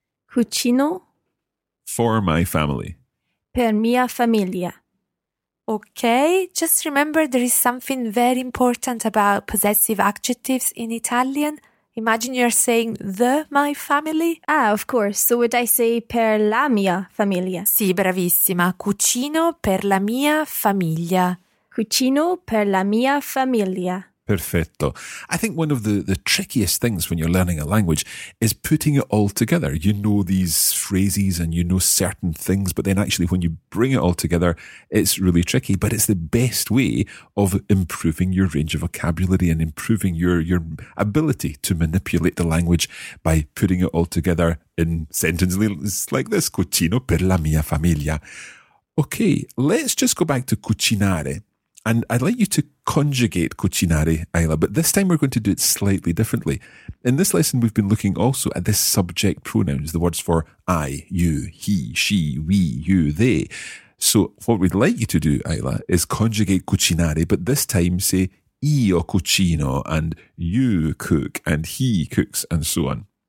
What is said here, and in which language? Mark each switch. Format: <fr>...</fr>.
<it>Cucino.</it> <en>For my family.</en> <it>Per mia famiglia.</it> <en>Okay, just remember there is something very important about possessive adjectives in Italian. Imagine you're saying the my family. Ah, of course. So would I say</en> <it>per la mia famiglia? Sì, bravissima. Cucino per la mia famiglia. Cucino per la mia famiglia. Perfetto.</it> <en>I think one of the trickiest things when you're learning a language is putting it all together. You know these phrases and you know certain things, but then actually when you bring it all together, it's really tricky. But it's the best way of improving your range of vocabulary and improving your ability to manipulate the language by putting it all together in sentences like this.</en> <it>Cucino per la mia famiglia.</it> <en>Okay, let's just go back to cucinare. And I'd like you to conjugate cucinare, Ayla, but this time we're going to do it slightly differently. In this lesson, we've been looking also at the subject pronouns, the words for I, you, he, she, we, you, they. So what we'd like you to do, Ayla, is conjugate cucinare, but this time say</en> <it>io cucino</it> <en>and you cook and he cooks and so on.</en>